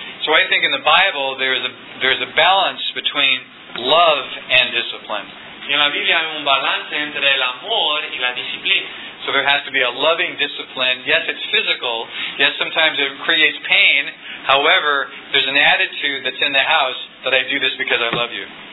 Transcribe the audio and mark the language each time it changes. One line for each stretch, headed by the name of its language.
English: So I think in the Bible there's a balance between love and discipline.
Spanish: Y en la Biblia hay un balance entre el amor y la disciplina.
English: So there has to be a loving discipline. Yes, it's physical. Yes, sometimes it creates pain. However, there's an attitude that's in the house that I do this because I love you.